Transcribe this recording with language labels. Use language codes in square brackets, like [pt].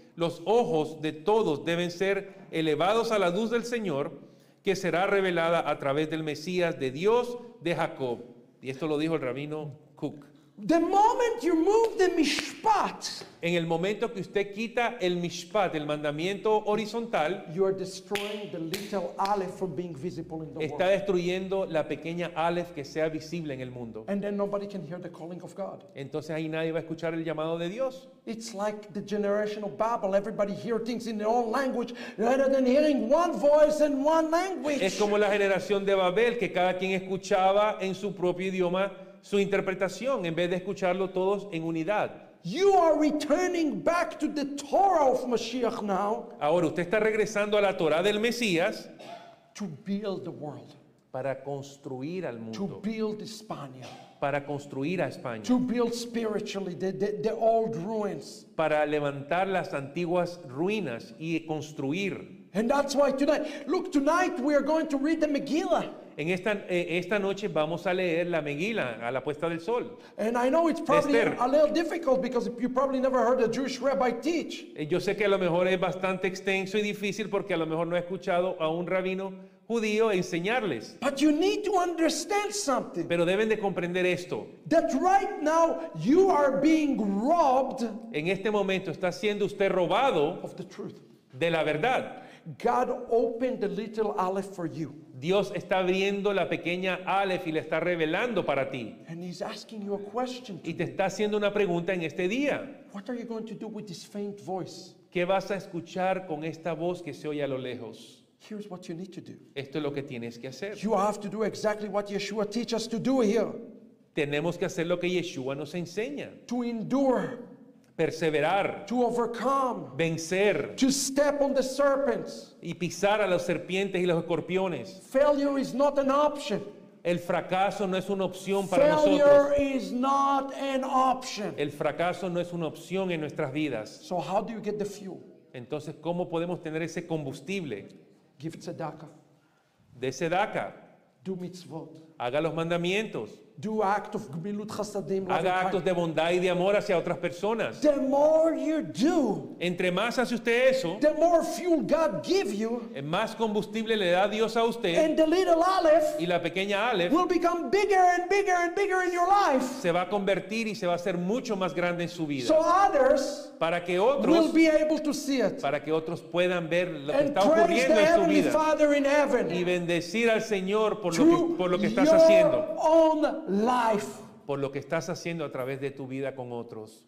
[es] Los ojos de todos deben ser elevados a la luz del Señor, que será revelada a través del Mesías de Dios de Jacob. Y esto lo dijo el rabino Cook. [en] The moment you move the mishpat, [es] en el momento que usted quita el mishpat, el mandamiento horizontal, [en] you are destroying the little aleph from being visible in the world. [es] Está destruyendo la pequeña aleph que sea visible en el mundo. [en] And then nobody can hear the calling of God. [es] Entonces ahí nadie va a escuchar el llamado de Dios. [en] It's like the generation of Babel. Everybody hears things in their own language rather than hearing one voice and one language. [es] Es como la generación de Babel, que cada quien escuchaba en su propio idioma su interpretación, en vez de escucharlo todos en unidad. [en] You are returning back to the Torah of Mashiach now. [es] Ahora usted está regresando a la Torah del Mesías. [en] To build the world. [es] Para construir al mundo. [en] To build España. [es] Para construir a España. [en] To build spiritually the old ruins. [es] Para levantar las antiguas ruinas y construir. [en] And that's why tonight, look, tonight we are going to read the Megillah. [es] En esta noche vamos a leer la Megila a la puesta del sol. [en] And I know it's probably a little difficult because you probably never heard a Jewish rabbi teach. [es] Yo sé que a lo mejor es bastante extenso y difícil porque a lo mejor no he escuchado a un rabino judío enseñarles. [en] But you need to understand something. [es] Pero deben de comprender esto. [en] That right now you are being robbed. [es] En este momento está siendo usted robado [en] of the truth. [es] De la verdad. [en] God opened the little aleph for you. [es] Dios está abriendo la pequeña aleph y la está revelando para ti. [en] And he's asking you a question. [es] Y te está haciendo una pregunta en este día. [en] What are you going to do with this faint voice? [es] ¿Qué vas a escuchar con esta voz que se oye a lo lejos? [en] Here's what you need to do. [es] Esto es lo que tienes que hacer. [en] You have to do exactly what Yeshua teaches us to do here. [es] Tenemos que hacer lo que Yeshua nos enseña. [en] To endure. [es] Perseverar. [en] To overcome. [es] Vencer. [en] To step on the serpents. [es] Y pisar a las serpientes y los escorpiones. [en] Failure is not an option. [es] El fracaso no es una opción para [en] failure [es] nosotros. [en] Failure is not an option. [es] El fracaso no es una opción en nuestras vidas. [en] So how do you get the fuel? [es] Entonces, ¿cómo podemos tener ese combustible? [en] Give tzedakah. [es] De tzedakah. [en] Do mitzvot. [es] Haga los mandamientos. [en] Do act of gmilut chasadim. [es] Haga actos de bondad y de amor hacia otras personas. [en] The more you do, [es] entre más hace usted eso, [en] the more fuel God give you, [es] más combustible le da Dios a usted, [en] and the little aleph, [es] y la pequeña aleph, [en] will become bigger and bigger and bigger in your life. [es] Se va a convertir y se va a hacer mucho más grande en su vida. [en] So others, [es] para que otros, [en] will be able to see it, [es] para que otros puedan ver lo que [en] and [es] está ocurriendo [en] the [es] en su [en] Heavenly [es] vida, [en] Father in heaven, [es] y bendecir al Señor por [en] to [es] lo que estás [en] your [es] haciendo. [en] Own life. [es] Por lo que estás haciendo a través de tu vida con otros.